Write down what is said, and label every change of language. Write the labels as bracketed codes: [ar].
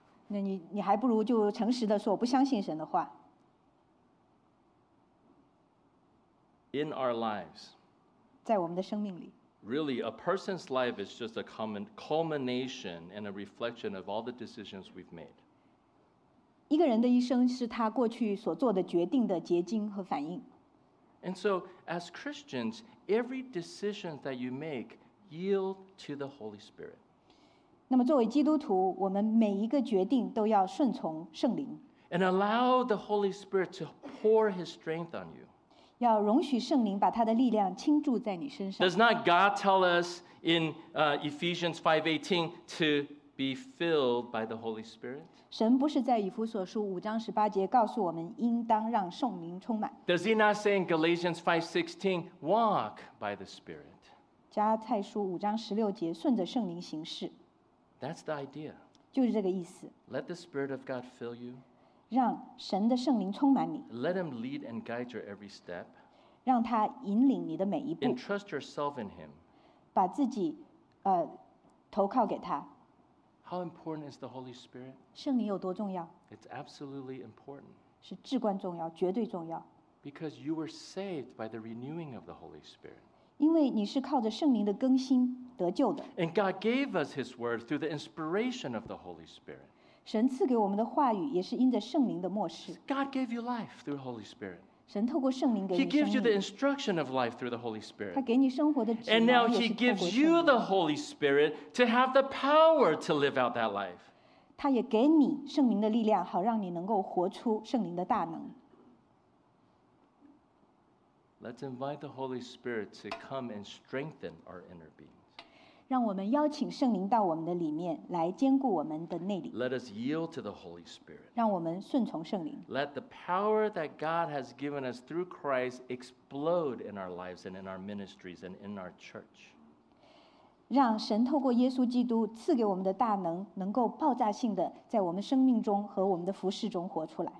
[zh] 那你还不如就诚实的说，我不相信神的话。 [en] In our lives, [zh] 在我们的生命里 [en] really, a person's life is just a culmination and a reflection of all the decisions we've made. [zh] 一个人的一生是他过去所做的决定的结晶和反应。 [en] And so, as Christians, every decision that you make yield to the Holy Spirit. [zh] 那么作为基督徒，我们每一个决定都要顺从圣灵。 [en] And allow the Holy Spirit to pour His strength on you. [zh] 要容许圣灵把他的力量倾注在你身上。 [en] Does not God tell us in Ephesians 5:18 to be filled by the Holy Spirit? [zh] 神不是在以弗所书五章十八节告诉我们应当让圣灵充满。 [en] Does He not say in Galatians 5:16 walk by the Spirit? [zh] 加太书五章十六节顺着圣灵行事。 [en] That's the idea. [zh] 就是这个意思。 [en] Let the Spirit of God fill you. [zh] 让神的圣灵充满你。 [en] Let Him lead and guide your every step. [zh] 让他引领你的每一步。 [en] Entrust yourself in him. [zh] 把自己投靠给他。 [en] How important is the Holy Spirit? [zh] 圣灵有多重要？ [en] It's absolutely important. [zh] 是至关重要，绝对重要。 [en] Because you were saved by the renewing of the Holy Spirit. [zh] 因为你是靠着圣灵的更新得救的。 [en] And God gave us His Word through the inspiration of the Holy Spirit. [zh] 神赐给我们的话语也是因着圣灵的默示。 [en] God gave you life through the Holy Spirit. [zh] 神透过圣灵给你生命。 [en] He gives you the instruction of life through the Holy Spirit. [zh] 他给你生活的指引也是透过圣灵。 [en] And now He gives you the Holy Spirit to have the power to live out that life. [zh] 他也给你圣灵的力量，好让你能够活出圣灵的大能。 [en] Let's invite the Holy Spirit to come and strengthen our inner beings. [zh] 让我们邀请圣灵到我们的里面，来坚固我们的内里。 [en] Let us yield to the Holy Spirit. [zh] 让我们顺从圣灵。 [en] Let the power that God has given us through Christ explode in our lives and in our ministries and in our church. [zh] 让神透过耶稣基督赐给我们的大能，能够爆炸性的在我们生命中和我们的服事中活出来。